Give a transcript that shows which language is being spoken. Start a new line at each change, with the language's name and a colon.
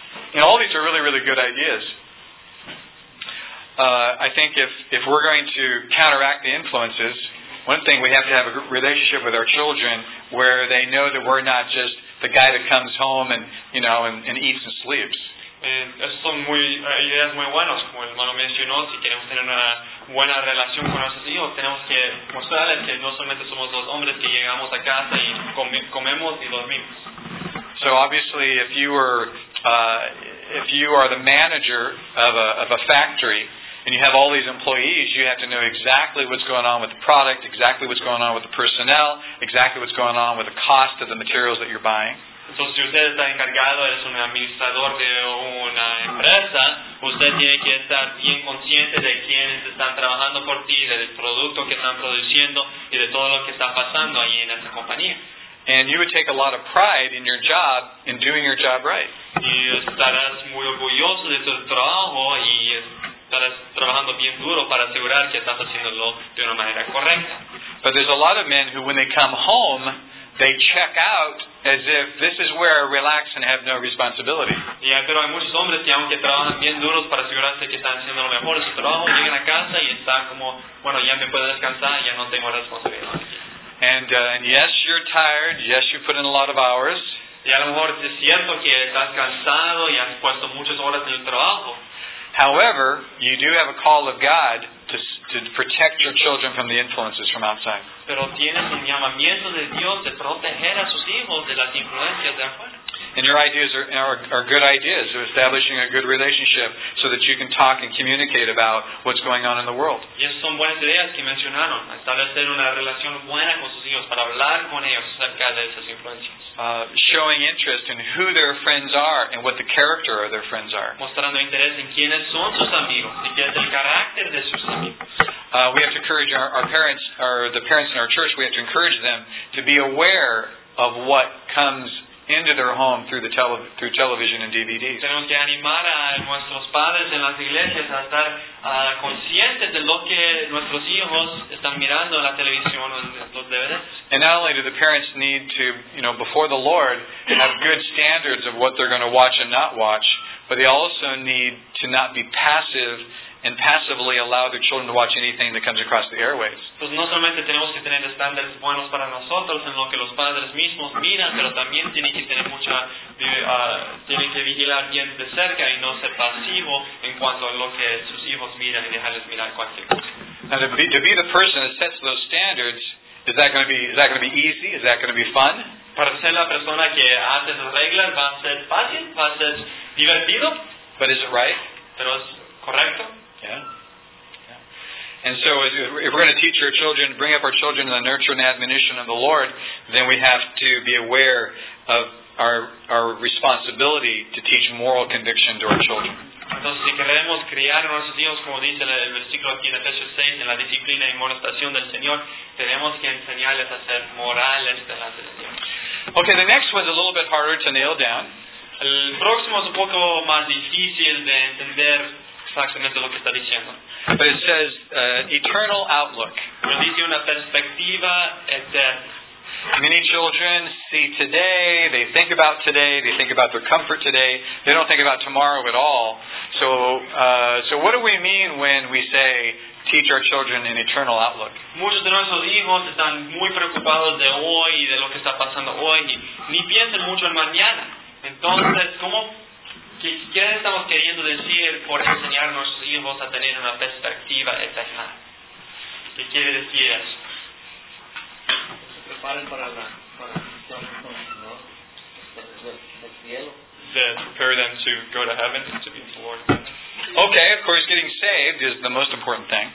English: And all these are really, really good ideas. I think if we're going to counteract the influences, one thing, we have to have a relationship with our children where they know that we're not just the guy that comes home and, you know, and eats and sleeps.
Spanish: Esas son ideas muy buenas, como el hermano mencionó. Si queremos tener una buena relación con nuestros hijos, tenemos que mostrarles que no solamente somos los hombres que llegamos a casa y comemos y dormimos.
English: So obviously, if you are the manager of a factory and you have all these employees, you have to know exactly what's going on with the product, exactly what's going on with the personnel, exactly what's going on with the cost of the materials that you're buying.
Spanish: Entonces, si usted está encargado, es un administrador de una empresa, usted tiene que estar bien consciente de quiénes están trabajando por ti, del producto que están produciendo y de todo lo que está pasando ahí en esa compañía.
English: And you would take a lot of pride in your job, in doing your job right.
Spanish: Y estarás muy orgulloso de tu trabajo y estarás trabajando bien duro para asegurar que estás haciéndolo de una manera correcta.
English: But there's a lot of men who, when they come home, they check out as if this is where I relax and have no responsibility.
Spanish: Yeah, pero hay muchos hombres que aunque trabajan bien duros para asegurarse que están haciendo lo mejor en su trabajo, llegan a casa y están como, bueno, ya me puedo descansar, ya no tengo responsabilidad.
English: And yes, you're tired. Yes, you put in a lot of hours.
Spanish: Y a lo mejor es cierto que estás cansado y has puesto muchas horas en el trabajo.
English: However, you do have a call of God to protect your children from the influences from outside.
Spanish: Pero tienes un llamamiento de Dios de proteger a sus hijos de las influencias de afuera.
English: And your ideas are good ideas of establishing a good relationship so that you can talk and communicate about what's going on in the world.
Spanish: Y esas son buenas ideas que mencionaron. Establecer una relación buena con sus hijos para hablar con ellos acerca de esas influencias.
English: Showing interest in who their friends are and what the character of their friends are.
Spanish: Mostrando interés en quiénes son sus amigos y qué es el carácter de sus amigos.
English: We have to encourage our parents, or the parents in our church, we have to encourage them to be aware of what comes into their home through television and DVDs.
Spanish: Tenemos que animar a nuestros padres en las iglesias a estar conscientes de lo que nuestros hijos están mirando en la televisión o en los DVDs.
English: And not only do the parents need to, you know, before the Lord, have good standards of what they're going to watch and not watch, but they also need to not be passive and passively allow their children to watch anything that comes across the airwaves.
Spanish: Pues no solamente tenemos que tener estándares buenos para nosotros en lo que los padres mismos miran, pero también tienen que tener mucha tienen que vigilar bien de cerca y no ser pasivo en cuanto a lo que sus hijos miran y dejarles mirar cualquier cosa.
English: Now to be the person that sets those standards, is that going to be easy? Is that going to be fun?
Spanish: Para ser la persona que hace esas reglas, ¿va a ser fácil? ¿Va a ser divertido?
English: But is it right?
Spanish: ¿Pero es correcto?
English: Yeah. And so if we're going to teach our children, bring up our children in the nurture and admonition of the Lord, then we have to be aware of our responsibility to teach moral conviction to our children.
Spanish: Entonces, si queremos criar a nuestros hijos, como dice el versículo aquí en Efesios 6, en la disciplina y amonestación del Señor, tenemos que enseñarles a ser morales delante de Dios.
English: Okay, the next one's a little bit harder to nail down.
Spanish: El próximo es un poco más difícil de entender exactamente lo que está diciendo.
English: But it says, eternal outlook.
Spanish: Pero dice una perspectiva eterna.
English: Many children see today, they think about today, they think about their comfort today, they don't think about tomorrow at all. So what do we mean when we say, teach our children an eternal outlook?
Spanish: Muchos de nuestros hijos están muy preocupados de hoy y de lo que está pasando hoy, y ni piensan mucho en mañana. Entonces, ¿qué estamos queriendo decir por enseñar a nuestros hijos a tener una perspectiva eterna? ¿Qué quiere decir eso?
English: Prepare them to go to heaven and to be with the Lord. Okay, of course, getting saved is the most important thing.